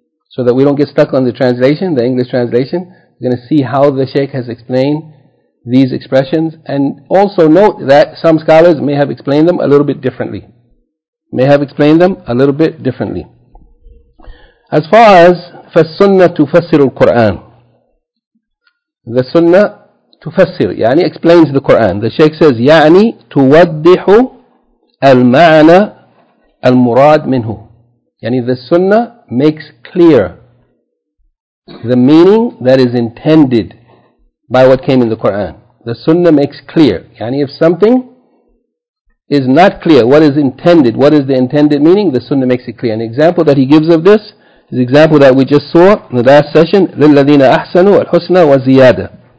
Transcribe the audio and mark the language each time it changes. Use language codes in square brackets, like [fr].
[en] So that we don't get stuck on the translation, the English translation, we're going to see how the Shaykh has explained these expressions, and also note that some scholars may have explained them a little bit differently. May have explained them a little bit differently. As far as [ar] فَالسُنَّةُ تُفَسِّرُ الْقُرْآنِ, [en] the sunnah تُفَسِّر, يعني explains the Qur'an. The Shaykh says, [ar] يعني تُوَضِّحُ الْمَعْنَى الْمُرَادْ مِنْهُ. [en] Yani the sunnah makes clear the meaning that is intended by what came in the Quran. The sunnah makes clear. Yani if something is not clear, what is intended, what is the intended meaning, the sunnah makes it clear. An example that he gives of this is the example that we just saw in the last session, [ar] لِلَّذِينَ أَحْسَنُوا الْحُسْنَى وَالزِّيَادَةِ.